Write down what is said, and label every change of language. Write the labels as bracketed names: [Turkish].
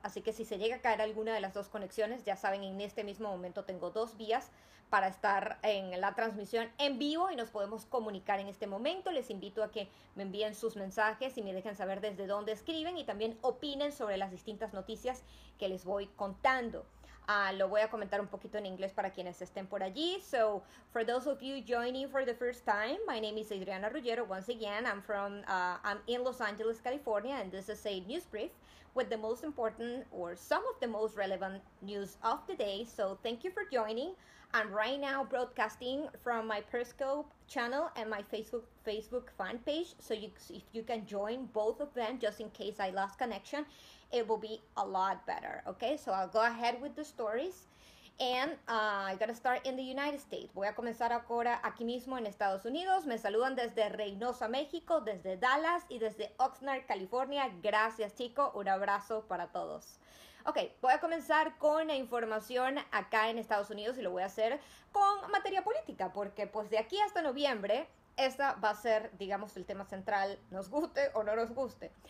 [Spanish] Así que si se llega a caer alguna de las dos conexiones, ya saben, en este mismo momento tengo dos vías para estar en la transmisión en vivo y nos podemos comunicar en este momento. Les invito a que me envíen sus mensajes y me dejen saber desde dónde escriben y también opinen sobre las distintas noticias que les voy contando. Lo voy a comentar un poquito en inglés para quienes estén por allí. [English] So, for those of you joining for the first time, my name is Adriana Ruggiero. Once again, I'm in Los Angeles, California, and this is a news brief with the most important or some of the most relevant news of the day. So, thank you for joining. I'm right now broadcasting from my Periscope channel and my Facebook fan page. So, if you can join both of them, just in case I lost connection, it will be a lot better. Okay, so I'll go ahead with the stories. And I gotta start in the United States. [Spanish] Voy a comenzar ahora aquí mismo en Estados Unidos. Me saludan desde Reynosa, México, desde Dallas y desde Oxnard, California. Gracias, chico. Un abrazo para todos. Ok, voy a comenzar con la información acá en Estados Unidos y lo voy a hacer con materia política, porque pues de aquí hasta noviembre, esta va a ser, digamos, el tema central, nos guste o no nos guste.